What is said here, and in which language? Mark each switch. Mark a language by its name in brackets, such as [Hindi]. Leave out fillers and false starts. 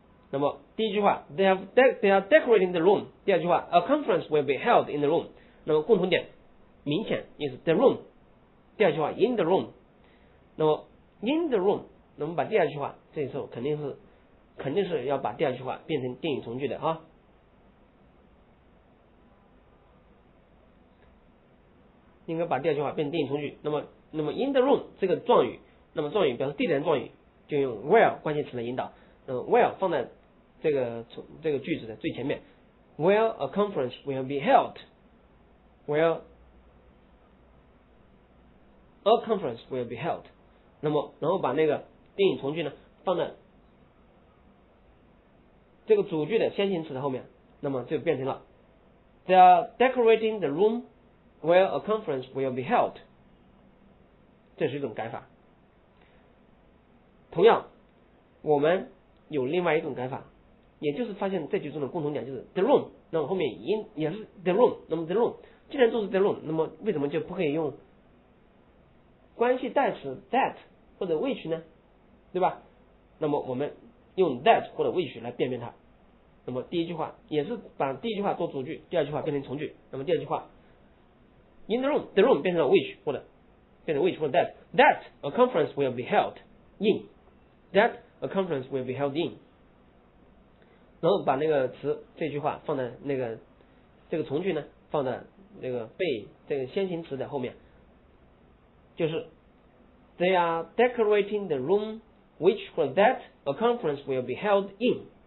[Chinese] 那么第一句话 [English] ，they are decorating the room。 [Chinese] 第二句话 [English] ，a conference will be held in the room。 [Chinese] 那么共同点明显 [English] is the room。 [Chinese] 第二句话 [English] in the room。 [Chinese] 那么 [English] in the room， [Chinese] 那么把第二句话，这时候肯定是要把第二句话变成定语从句的啊。应该把第二句话变成定语从句。那么 [English] in the room [Chinese] 这个状语，那么状语表示地点状语，就用 where 关键词来引导。 Where 放在这个句子的最前面。 [English] Where a conference will be held。 Where a conference will be held。 [Chinese] 那么，然后把那个定语从句呢放在这个主句的先行词的后面，那么就变成了 [English] They are decorating the room。 Where a conference will be held， [Chinese] 这是一种改法。同样，我们有另外一种改法，也就是发现这句中的共同点就是 [English] the room， [Chinese] 那么后面也是 the room， 那么 the room 既然都是 the room， 那么为什么就不可以用关系代词 that 或者 which 呢？对吧？那么我们用 that 或者 which 来辨别它。那么第一句话也是把第一句话做主句，第二句话变成从句。那么第二句话。 [English] In the room, the room [Chinese] 变成了 [English] which [Chinese] 或者变成 [English] which [Chinese] 或者 [English] that. That a conference will be held in. That a conference will be held in. [Chinese] 然后把那个词这句话放在那个这个从句呢放在那个被这个先行词的后面，就是 [English] They are decorating the room which for that a conference will be held in.